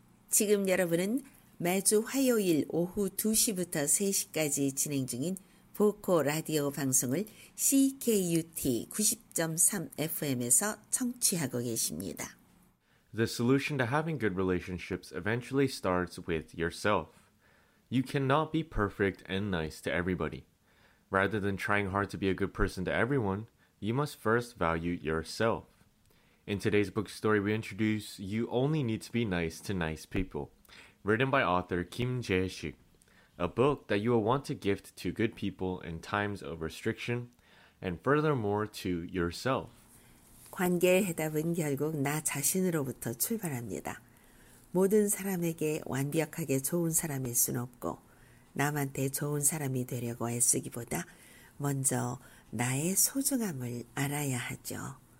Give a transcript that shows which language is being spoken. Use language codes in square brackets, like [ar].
[ko] 지금 여러분은 매주 화요일 오후 2시부터 3시까지 진행 중인 보코 라디오 방송을 CKUT 90.3 FM에서 청취하고 계십니다. [en] The solution to having good relationships eventually starts with yourself. You cannot be perfect and nice to everybody. Rather than trying hard to be a good person to everyone, you must first value yourself. In today's book story, we introduce You Only Need to Be Nice to Nice People, written by author Kim Jae-shik, a book that you will want to gift to good people in times of restriction, and furthermore to yourself. [ko] 관계의 해답은 결국 나 자신으로부터 출발합니다. 모든 사람에게 완벽하게 좋은 사람일 순 없고 남한테 좋은 사람이 되려고 애쓰기보다 먼저 나의 소중함을 알아야 하죠.